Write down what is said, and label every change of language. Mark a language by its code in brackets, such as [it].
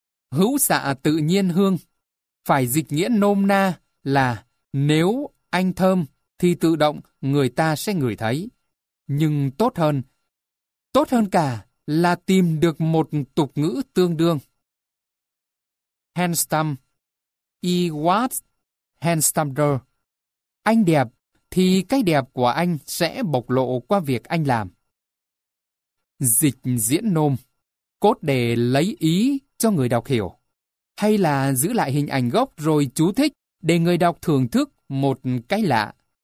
[vi] Hữu xạ tự nhiên hương, phải dịch nghĩa nôm na là nếu anh thơm thì tự động người ta sẽ ngửi thấy. Nhưng tốt hơn cả là tìm được một tục ngữ tương đương. [en] Handsome, he was handsome. [vi] Anh đẹp thì cái đẹp của anh sẽ bộc lộ qua việc anh làm. Dịch diễn nôm, cốt để lấy ý cho người đọc hiểu, hay là giữ lại hình ảnh gốc rồi chú thích để người đọc thưởng thức một cái lạ.